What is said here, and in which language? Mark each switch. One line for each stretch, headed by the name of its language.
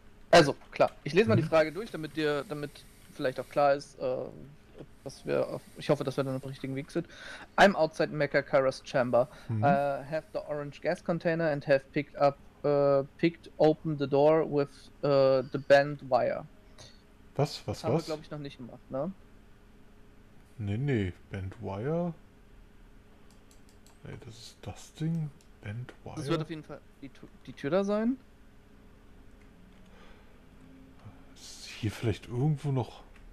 German: Also, klar. Ich lese mal die Frage durch, damit vielleicht auch klar ist, was wir. Ich hoffe, dass wir dann auf dem richtigen Weg sind.
English: I'm outside Mecha Kairos Chamber. I have the orange gas container and have picked open the door with the bent wire.
German: Was? Was? Das haben wir, glaube ich, noch nicht gemacht, ne? Nee. Bent wire? Nee, das ist das Ding. Bent wire? Das wird auf jeden Fall die Tür da sein. Hier vielleicht irgendwo noch.